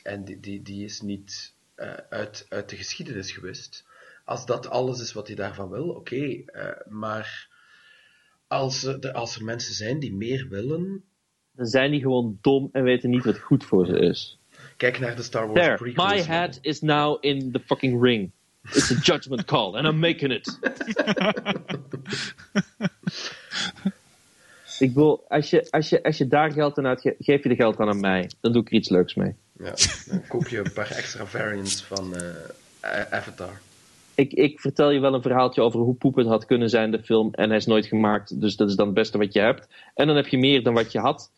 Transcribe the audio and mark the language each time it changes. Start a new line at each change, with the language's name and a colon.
Dutch: En die is niet uit de geschiedenis geweest. Als dat alles is wat je daarvan wil, oké, maar als er mensen zijn die meer willen, dan zijn die gewoon dom en weten niet wat goed voor ze is. Kijk naar de Star Wars prequels.
English: There, my head is now in the fucking ring. It's a judgment call, and I'm making it.
Dutch: Ik bedoel, als je daar geld aan uitgeeft, geef je de geld dan aan mij. Dan doe ik er iets leuks mee. Ja, dan koop je een paar extra variants van Avatar. Ik vertel je wel een verhaaltje over hoe poep het had kunnen zijn, de film. En hij is nooit gemaakt, dus dat is dan het beste wat je hebt. En dan heb je meer dan wat je had.